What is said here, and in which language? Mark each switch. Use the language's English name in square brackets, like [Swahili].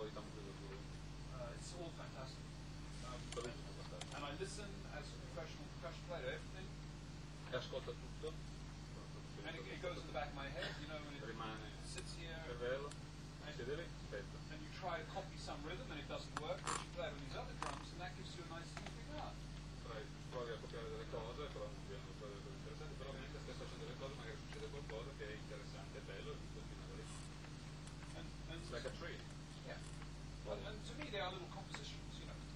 [English] It's all fantastic. And I listen as a professional percussion player to everything. [Italian] Ascolta tutto. [English] And it goes in the back of my head, you know, and it [Italian] rimane, [English] sits here. [Italian] Cervello. [English] And you try to copy some rhythm and it doesn't work, but you play it on these other drums and that gives you a nice thing to regard. [Italian] Provi a copiare delle cose, però non viene un po' interessante, però mentre stai facendo delle cose magari succede qualcosa che è interessante, è bello, e continua a lì. [English] It's like a tree. Yeah. Well, and to me they are little compositions, you know.